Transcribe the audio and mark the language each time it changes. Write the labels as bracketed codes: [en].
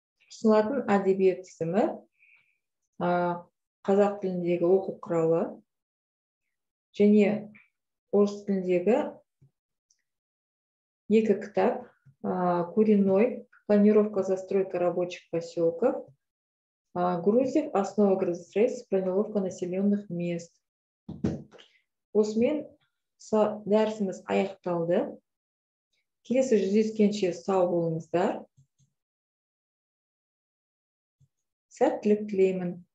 [kk] Ұсынылатын әдебиет тізімі қазақ тіліндегі оқу құралы және орыс тіліндегі екі кітап: [ru] «Куриной. Планировка застройка рабочих поселков», «Грузия. Основа градостроительства. Планировка населенных мест». [kk] Осымен дәрісіміз аяқталды. Келесі жүздескенше сау болыңыздар. Сәттілік тілеймін.